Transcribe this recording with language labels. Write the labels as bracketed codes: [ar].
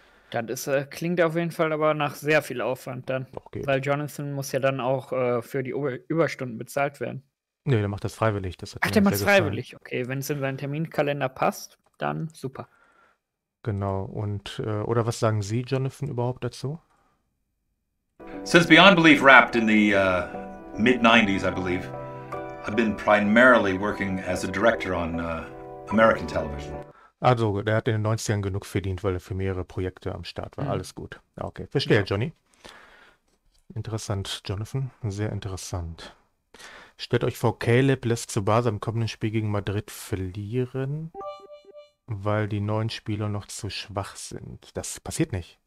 [de] Das ist, klingt auf jeden Fall aber nach sehr viel Aufwand dann. Okay. Weil Jonathan muss ja dann auch für die Überstunden bezahlt werden. Nee, der macht das freiwillig. Das hat Ach, der macht es freiwillig. Okay, wenn es in seinen Terminkalender passt, dann super. Genau. Und oder was sagen Sie, Jonathan, überhaupt dazu? [en] Since Beyond Belief wrapped in the mid-90s, I believe, I've been primarily working as a director on American television. [de] Also, der hat in den 90ern genug verdient, weil er für mehrere Projekte am Start war. Alles gut. Okay, verstehe, ja. Johnny. Interessant, Jonathan. Sehr interessant. Stellt euch vor, Caleb lässt Tsubasa im kommenden Spiel gegen Madrid verlieren, weil die neuen Spieler noch zu schwach sind. Das passiert nicht.